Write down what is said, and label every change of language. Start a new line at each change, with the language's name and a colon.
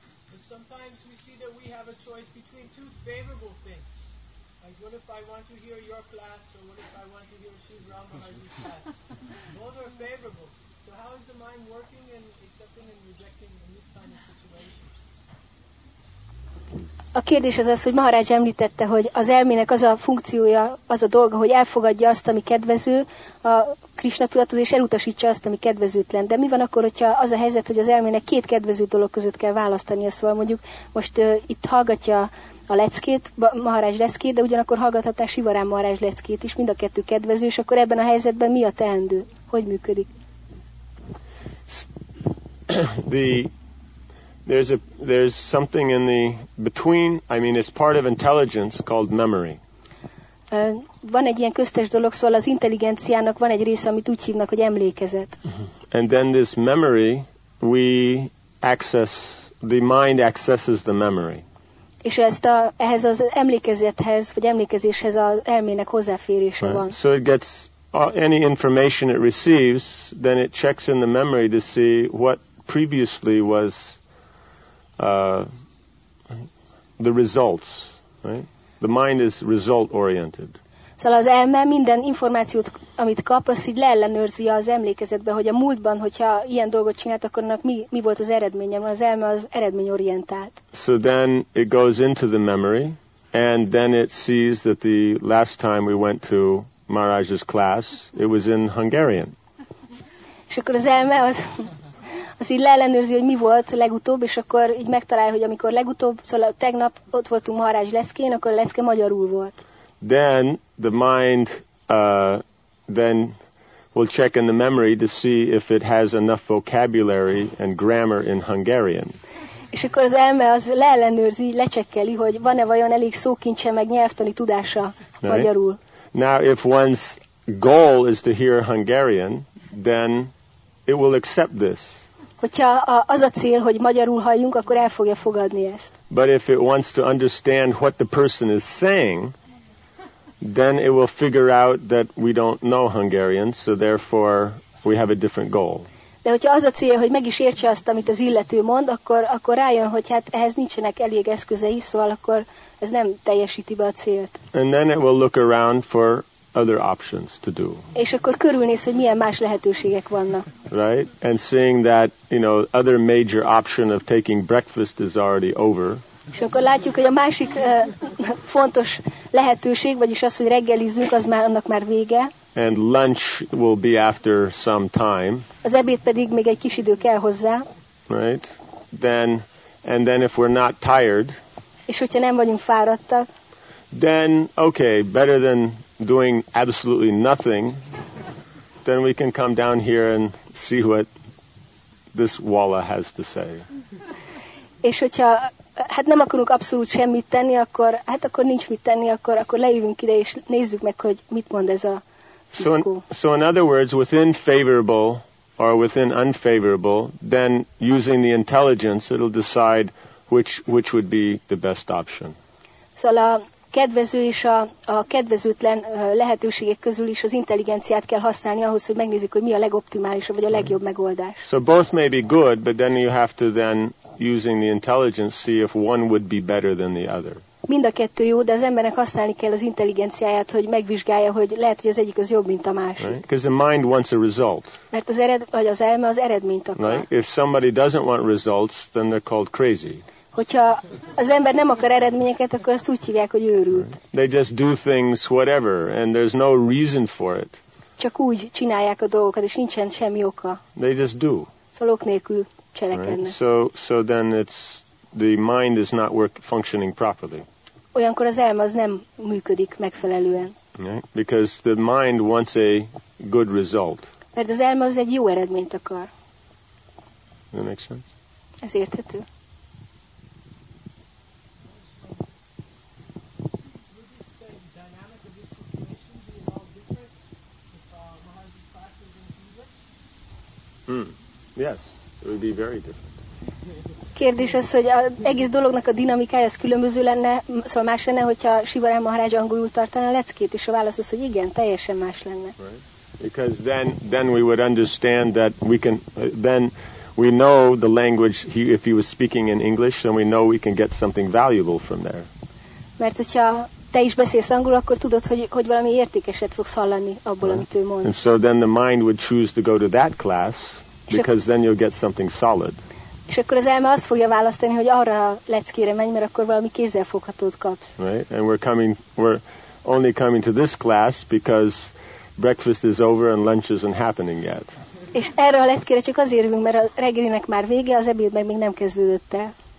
English: But sometimes we see that we have a choice between two favorable things. Like, what if I want to hear your class, or what if I want to hear Shiv Ramaraj's class? Both are favorable. So how is the mind working and accepting and rejecting in this kind of situation?
Hungarian: A kérdés az, hogy Maharaj említette, hogy az elmének az a funkciója, az a dolga, hogy elfogadja azt, ami kedvező a Krisna tudathoz, és elutasítsa azt, ami kedvezőtlen. De mi van akkor, hogyha az a helyzet, hogy az elmének két kedvező dolog között kell választania? Szóval mondjuk most itt hallgatja a leckét, Maharaj leckét, de ugyanakkor hallgathatná Sivarán Maharaj leckét is, mind a kettő kedvező, és akkor ebben a helyzetben mi a teendő? Hogy működik?
English: There's something in the between, I mean, it's part of intelligence called memory.
Hungarian: Van egy ilyen köztes dolog, szóval az intelligenciának van egy része, amit úgy hívnak, hogy emlékezet.
English: And then this memory, we access, the mind accesses the memory.
Hungarian: És ezt a, ehhez az emlékezethez, vagy emlékezéshez az elmének hozzáférése
English: right.
Hungarian: van.
English: So it gets any information it receives, then it checks in the memory to see what previously was the results, right? The mind is result oriented.
Hungarian: Szóval az elme minden információt, amit kap, azt így leellenőrzi az emlékezetbe, hogy a múltban, hogyha ilyen dolgot csinált, akkor annak mi volt az eredménye, mert az elme az eredmény orientált.
English: So then it goes into the memory, and then it sees that the last time we went to Maharaj's class, it was in Hungarian.
Hungarian: És akkor az elme az... Az így leellenőrzi, hogy mi volt legutóbb, és akkor így megtalálja, hogy amikor legutóbb, szóval tegnap ott voltunk Maharaj leszkén, akkor a leszke magyarul volt.
English: Then the mind then will check in the memory to see if it has enough vocabulary and grammar in Hungarian.
Hungarian: És akkor az elme az leellenőrzi, lecsekkeli, hogy van-e vajon elég szókincse meg nyelvtani tudása
English: right.
Hungarian: magyarul.
English: Now if one's goal is to hear Hungarian, then it will accept this.
Hungarian: Hogyha az a cél, hogy magyarul halljunk, akkor el fogja fogadni ezt.
English: But if it wants to understand what the person is saying, then it will figure out that we don't know Hungarian, so therefore we have a different goal.
Hungarian: De hogyha az a cél, hogy meg is értse azt, amit az illető mond, akkor rájön, hogy hát ehhez nincsenek elég eszközei, szóval akkor ez nem teljesíti be a célt.
English: And then it will look around for other options to do.
Hungarian: És akkor körülnéz, hogy milyen más lehetőségek vannak.
English: Right? And seeing that, you know, other major option of taking breakfast is already over.
Hungarian: És akkor látjuk, hogy a másik fontos lehetőség, vagyis az, hogy reggelizzünk, az már annak már vége.
English: And lunch will be after some time.
Hungarian: Az ebéd pedig még egy kis idő kell hozzá.
English: Right? Then if we're not tired.
Hungarian: És hogyha nem vagyunk fáradtak.
English: Then okay, better than doing absolutely nothing, then we can come down here and see what this Walla has to say.
Hungarian: És hogyha hát nem akarunk abszolút semmit tenni, akkor hát akkor nincs mit tenni, akkor leülünk ide és nézzük meg, hogy mit mond ez a fickó.
English: So in other words, within favorable or within unfavorable, then using the intelligence, it'll decide which would be the best option.
Hungarian: Szóval kedvező és a kedvezőtlen lehetőségek közül is az intelligenciát kell használni ahhoz, hogy megnézzük, hogy mi a legoptimálisabb vagy a legjobb megoldás.
English: So both may be good, but then you have to then using the intelligence see if one would be better than the other.
Hungarian: Mind a kettő jó, de az embernek használni kell az intelligenciáját, hogy megvizsgálja, hogy lehet, hogy az egyik az jobb, mint a másik.
English: Right? Because the mind wants a result.
Hungarian: Mert az vagy az elme az eredményt akar.
English: Right? If somebody doesn't want results, then they're called crazy.
Hungarian: Hogyha az ember nem akar eredményeket, akkor azt úgy hívják, hogy őrült.
English: They just do things whatever, and there's no reason for it.
Hungarian: Csak úgy csinálják a dolgokat, és nincsen semmi oka.
English: They just do.
Hungarian: Szóval ok nélkül cselekednek.
English: Right? So then it's the mind is not functioning properly.
Hungarian: Olyankor az elme az nem működik megfelelően.
English: Right? Because the mind wants a good result.
Hungarian: Mert az elme az egy jó eredményt akar.
English: That makes sense?
Hungarian: Ez érthető.
English: Yes, it would be very different.
Hungarian: Kérdés az, hogy az egész dolognak a dinamikája az különböző lenne, szóval más lenne, hogyha Sivaram Maharaj angolul tartaná a leckét, és a válasz az, hogy igen, teljesen más lenne.
English: Right. Because then we would understand that we can then we know the language he, if he was speaking in English, then we know we can get something valuable from there.
Hungarian: Mert hogyha te is beszélsz angolul, akkor tudod, hogy valami értékeset fogsz hallani abból, amit ő mond.
English: And so then the mind would choose to go to that class because then you'll get something solid.
Hungarian: És akkor az elme azt fogja választani, hogy arra leckére menj, mert akkor valami kézzelfoghatót kapsz.
English: Right, and we're only coming to this class because breakfast is over and lunch isn't happening yet.
Hungarian: És erre a leckére csak azért jövünk, mert a reggelinek már vége, az ebéd meg még nem kezdődött el.